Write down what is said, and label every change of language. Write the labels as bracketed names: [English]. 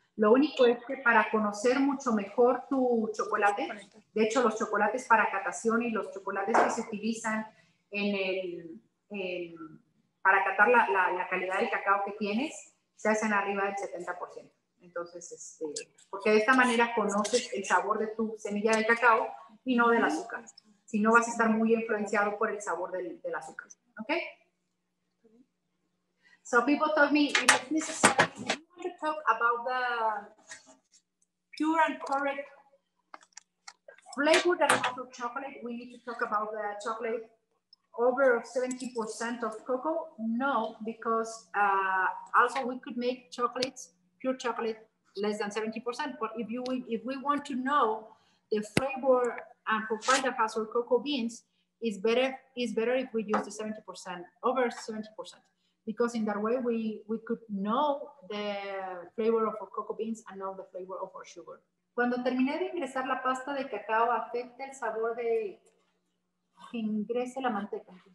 [Spanish] Lo único es que para conocer mucho mejor tu chocolate, de hecho los chocolates para catación y los chocolates que se utilizan en el, para catar la calidad del cacao que tienes, se hacen arriba del 70%. Entonces, porque de esta manera conoces el sabor de tu semilla de cacao y no del azúcar. Si no, vas a estar muy influenciado por el sabor del azúcar. ¿Ok? [English] So people told me it was necessary. You want to talk about the pure and correct flavor of chocolate. We need to talk about the chocolate over 70% of cocoa. No, because also we could make chocolates. Pure chocolate less than 70%. But if we want to know the flavor and profile that has our cocoa beans, is better if we use the 70%, over 70%, because in that way we could know the flavor of our cocoa beans and know the flavor of our sugar. [Spanish] Cuando terminé de ingresar la pasta de cacao, afecta el sabor de que ingrese la manteca.